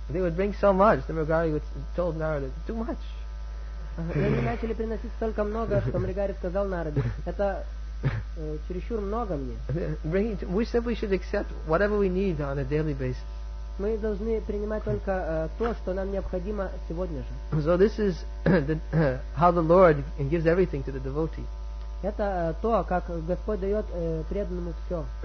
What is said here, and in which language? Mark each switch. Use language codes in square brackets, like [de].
[en] They would bring so much that Мригари told Narada, "Too much." [ru] И они начали приносить столько много, что Мригари сказал Нараде, это чересчур много мне. [en] We simply should accept whatever we need on a daily basis. [ru] Мы должны принимать только то, что нам необходимо сегодня же. [en] So this is how the Lord gives everything to the devotee. [ru] Это то, как Господь дает преданному все.